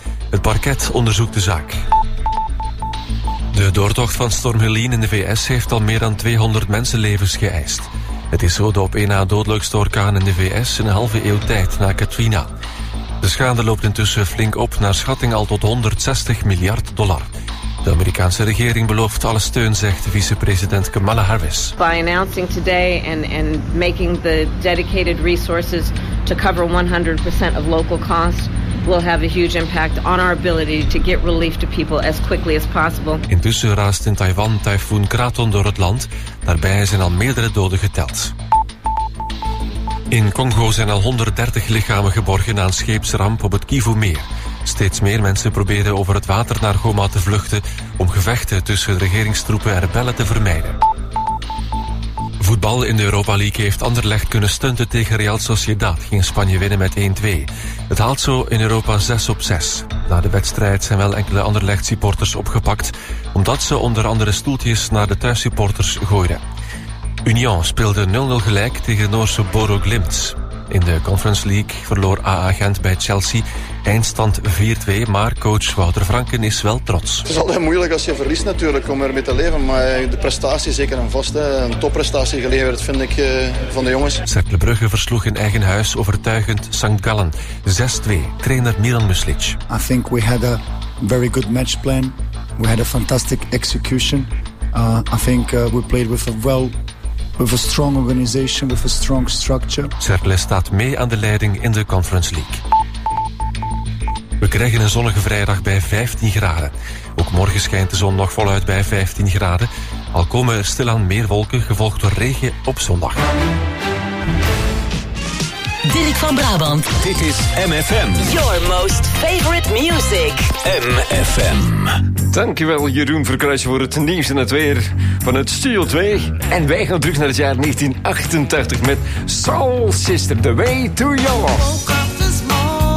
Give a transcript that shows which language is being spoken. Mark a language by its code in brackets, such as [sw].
[nl] Het parket onderzoekt de zaak. De doortocht van storm Helene in de VS heeft al meer dan 200 mensenlevens geëist. Het is zo de op één na dodelijkste orkaan in de VS in een halve eeuw tijd na Katrina. De schade loopt intussen flink op naar schatting al tot $160 miljard. De Amerikaanse regering belooft alle steun, zegt vicepresident Kamala Harris. [en] By announcing today and making the dedicated resources to cover 100% of local costs will have a huge impact on our ability to get relief to people as quickly as possible. [nl] Intussen raast in Taiwan tyfoon Kraton door het land. Daarbij zijn al meerdere doden geteld. In Congo zijn al 130 lichamen geborgen na een scheepsramp op het Kivu-meer. Steeds meer mensen proberen over het water naar Goma te vluchten om gevechten tussen regeringstroepen en rebellen te vermijden. Voetbal in de Europa League heeft Anderlecht kunnen stunten tegen Real Sociedad. Ging Spanje winnen met 1-2. Het haalt zo in Europa 6 op 6. Na de wedstrijd zijn wel enkele Anderlecht-supporters opgepakt omdat ze onder andere stoeltjes naar de thuissupporters gooiden. Union speelde 0-0 gelijk tegen Noorse Bodø Glimt. In de Conference League verloor AA Gent bij Chelsea. Eindstand 4-2, maar coach Wouter Franken is wel trots. Het is altijd moeilijk als je verliest natuurlijk om ermee te leven. Maar de prestatie zeker en vast. Een topprestatie geleverd vind ik van de jongens. Cercle Brugge versloeg in eigen huis overtuigend St. Gallen. 6-2, trainer Milan Muslic. [en] I think we had a very good match plan. We had a fantastic execution. I think we played with a well... With a strong organization, with a strong structure. [nl] Cercle staat mee aan de leiding in de Conference League. We krijgen een zonnige vrijdag bij 15 graden. Ook morgen schijnt de zon nog voluit bij 15 graden. Al komen er stilaan meer wolken, gevolgd door regen op zondag. Dirk van Brabant. Dit is MFM. [en] Your most favorite music. MFM. [nl] Dankjewel Jeroen Verkruijsen voor het nieuws en het weer van het Studio 2. En wij gaan terug naar het jaar 1988 met Soul Sister, The Way to Your Love.